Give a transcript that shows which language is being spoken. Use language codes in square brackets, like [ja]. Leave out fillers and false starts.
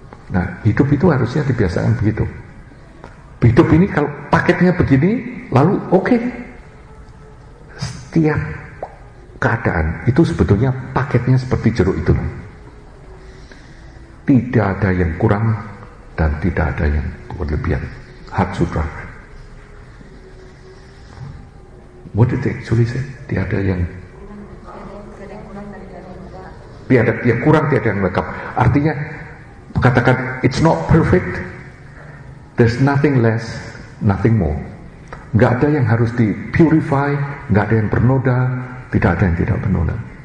[id] Nah, hidup itu harusnya dibiasakan begitu. Hidup ini kalau paketnya begini, lalu oke. Setiap keadaan itu sebetulnya paketnya seperti jeruk itu. Tidak ada yang kurang dan tidak ada yang berlebihan. [en] Heart sutra. What did they actually say? [id] Tiada yang tiada yang kurang, tiada yang lengkap. Artinya katakan [en] it's not perfect. There's nothing less, nothing more. [id] Enggak ada yang harus di purify, enggak ada yang bernoda, tidak ada yang tidak bernoda.